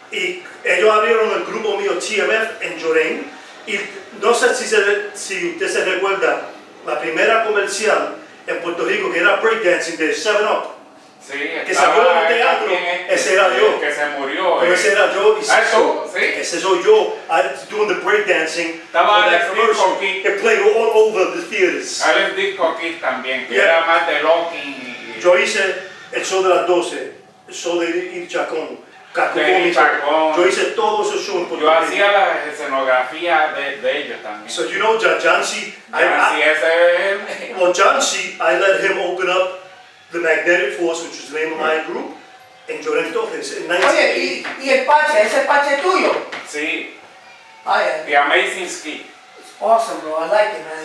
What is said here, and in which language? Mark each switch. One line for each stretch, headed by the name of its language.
Spanish: Y ellos abrieron el grupo mío TMF en Llorén. Y no sé si usted se recuerda, la primera comercial en Puerto Rico que era breakdancing de 7-Up. Sí, que sacó el teatro, ese era yo. Que se murió. Pero ese era yo. Ese soy yo.
English: Doing the breakdancing.
Spanish: Estaba Alex Dick.
English: It played all over the theaters.
Spanish: Alex Dick Coquit también. Que era más de locking. Yo hice el show de las 12. El show de Ir Chacón. Yo hice todo ese show. Yo hacía la escenografía de ellos también.
English: So you know, Jancy.
Spanish: Jancy, ese es él.
English: Well, Jancy, I let him open up The Magnetic Force, which was the name of my group, and Jordan Torres in 1980.
Spanish: Oye, y el Pache, ese Pache tuyo? Sí.
English: Oh, yeah. The Amazing Ski. It's awesome, bro. I like it, man.